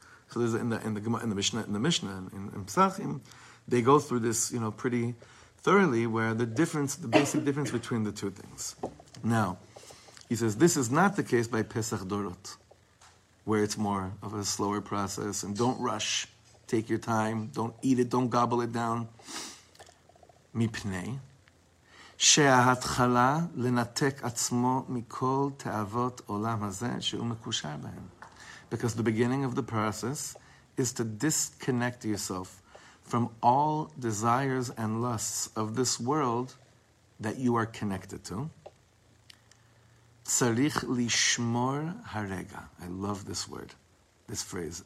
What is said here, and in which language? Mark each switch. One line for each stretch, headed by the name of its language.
English: So there's in the Mishnah, in Pesachim, they go through this, you know, pretty thoroughly, where the basic difference between the two things. Now, he says this is not the case by Pesach Dorot, where it's more of a slower process and don't rush, take your time, don't eat it, don't gobble it down. Mipnei.
Hebrew: שההתחלה לנתק עצמו מכל תאוות עולם הזה שהוא מקושר בהם.
English: Because the beginning of the process is to disconnect yourself from all desires and lusts of this world that you are connected to.
Hebrew: צריך לשמור הרגע.
English: I love this word, this phrase.